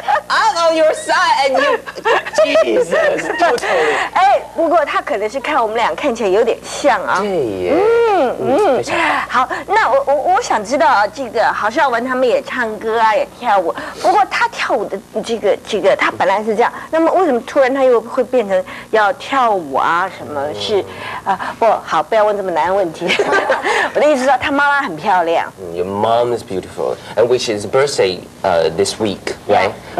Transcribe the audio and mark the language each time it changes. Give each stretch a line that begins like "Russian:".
English: I'm on your side, and you, Jesus, totally.
Chinese: 不过他可能是看我们俩看起来有点像啊。对耶。好，那我想知道啊，这个郝邵文他们也唱歌啊，也跳舞。不过他跳舞的这个，他本来是这样，那么为什么突然他又会变成要跳舞啊？什么是啊？不好，不要问这么难的问题。我的意思说，他妈妈很漂亮。
English: Your mom is beautiful, and which is birthday this week, right?